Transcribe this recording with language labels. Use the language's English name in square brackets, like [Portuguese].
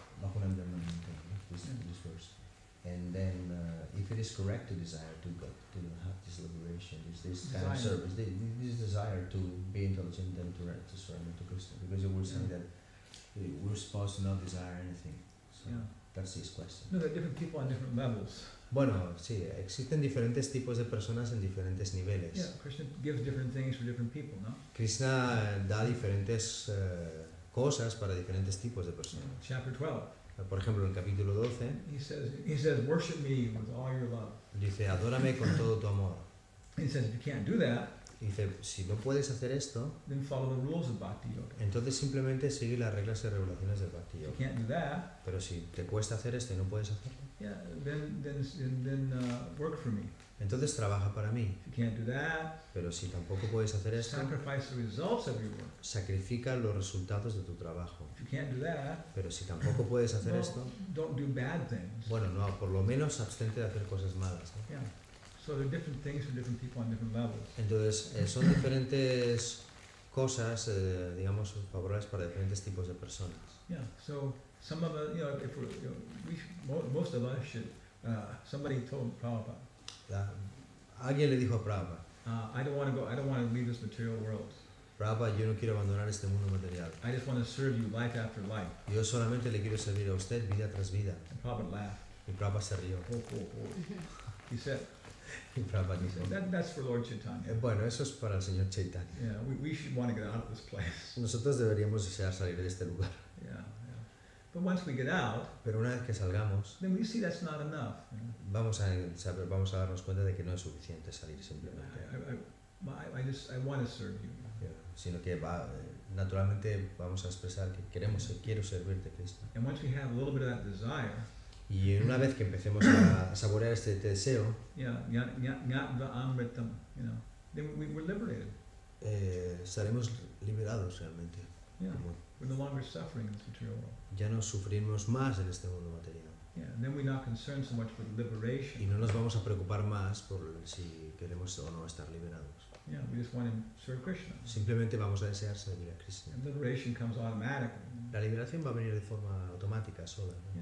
[English] This verse. And then, if it is correct to desire to go, to have this liberation, is this kind desire. Of service, this desire to be intelligent and to surrender to Krishna, because it was saying that we're supposed to not desire anything. So yeah. That's his question. No, there are different people on different levels. [Spanish] Bueno, sí, existen diferentes tipos de personas en diferentes niveles. [English] Yeah, Krishna gives different things for different people, no? [Spanish] Krishna da diferentes cosas para diferentes tipos de personas. [English] Yeah. Chapter 12. [Spanish] Por ejemplo, en el capítulo 12, [English] he says, worship me with all your love. [Spanish] Dice, adórame con todo tu amor. [English] He says, if you can't do that, [Spanish] Dice, si no puedes hacer esto, [English] then follow the rules of Bhakti Yoga. [Spanish] Entonces simplemente sigue las reglas y regulaciones del Bhakti Yoga. [English] If you can't do that, [Spanish] pero si te cuesta hacer esto y no puedes hacerlo, [English] then work for me. [Spanish] Entonces trabaja para mí. [English] If you can't do that, [Spanish] pero si tampoco puedes hacer esto, [English] sacrifice the results of your work. [Spanish] Sacrifica los resultados de tu trabajo. [English] If you can't do that, [Spanish] pero si tampoco puedes hacer esto, [English] don't do bad things. [Spanish] Bueno, no, por lo menos abstente de hacer cosas malas. ¿No? [English] Yeah. So there are different things for different people on different levels. [Spanish] Entonces, son diferentes cosas, digamos, favorables para diferentes tipos de personas. [English] Yeah. So some of us, you know, if we're, you know, we should, most of us should. Somebody told Prabhupada. [Spanish] Alguien le dijo a Prabhupada. [English] I don't want to go. I don't want to leave this material world. [Spanish] Prabhupada, yo no quiero abandonar este mundo material. [English] I just want to serve you life after life. [Spanish] Yo solamente le quiero servir a usted vida tras vida. [English] And Prabhupada laughed. [Spanish] Y Prabhupada se rió. [English] Oh, oh, oh. He said. [Spanish] Dice, [English] that's for Lord Chaitanya. [Spanish] Bueno, eso es para el señor Chaitanya. [English] Yeah, we should want to get out of this place. [Spanish] Nosotros deberíamos desear salir de este lugar. [English] Yeah. But once we get out, [Spanish] pero una vez que salgamos, [English] then we see that's not enough. Yeah. [Spanish] Vamos a darnos cuenta de que no es suficiente salir simplemente. [English] I want to serve you. [Spanish] Yeah. Sino que va, naturalmente vamos a expresar que queremos, yeah, quiero servirte, Cristo. [English] And once we have a little bit of that desire. [Spanish] Y una vez que empecemos a saborear este deseo, estaremos liberados realmente. [English] Yeah. We're no longer suffering in this material world. [Spanish] Ya no sufrimos más en este mundo material. [English] Yeah. Then we're not concerned so much for liberation. [Spanish] Y no nos vamos a preocupar más por si queremos o no estar liberados. [English] Yeah, we just want to serve Krishna. [Spanish] Simplemente vamos a desear servir a Krishna. [English] And liberation comes automatically. [Spanish] La liberación va a venir de forma automática sola, ¿no?